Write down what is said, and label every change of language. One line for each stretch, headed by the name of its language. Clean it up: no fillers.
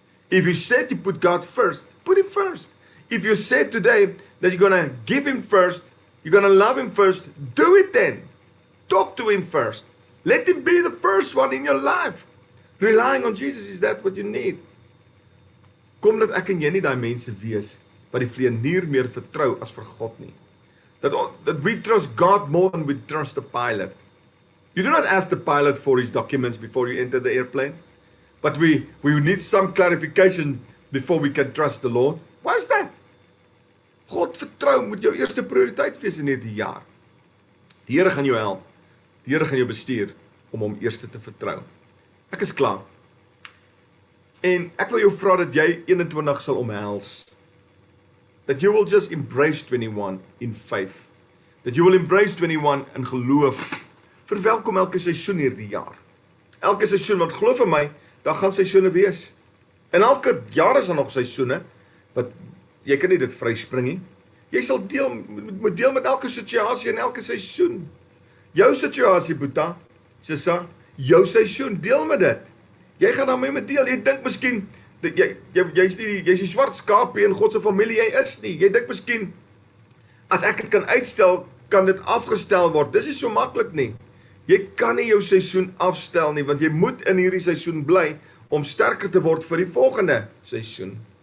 English: If you said you put God first, put him first. If you said today that you're gonna give him first, you're gonna love him first, do it then. Talk to him first. Let him be the first one in your life. Relying on Jesus, is that what you need?
Afrikaans: Kom dat ek en jy nie daai mense wees wat die vleenier meer vertrou as vir God nie.
English: That we trust God more than we trust the pilot. You do not ask the pilot for his documents before you enter the airplane. But we need some clarification before we can trust the Lord. Why is that?
Afrikaans: God vertrou moet jou eerste prioriteit wees in hierdie jaar. Die Here gaan jou help. Die Here gaan jou bestuur om hom eerste te vertrou. Ek is klaar. En ek wil jou vra dat jy 21 sal omhels.
English: That you will just embrace 21 in faith. That you will embrace 21 in geloof.
Afrikaans: Verwelkom elke seisoen hierdie jaar. Elke seisoen, want geloof in my, daar gaan seisoene wees. En elke jaar is daar nog seisoene, wat jy kan nie dit vryspring nie. Jy sal deel met elke situasie en elke seisoen. Jou situasie, Boeta, Sissa, jou seisoen, deel met dit. Jy gaan daarmee met deel. Jy dink miskien, jy is die swart skaapie in God se familie, jy is nie. Jy dink miskien, as ek dit kan uitstel, kan dit afgestel word. Dis is so maklik nie. Jy kan nie jou seisoen afstel nie, want jy moet in hierdie seisoen bly om sterker te word vir die volgende seisoen.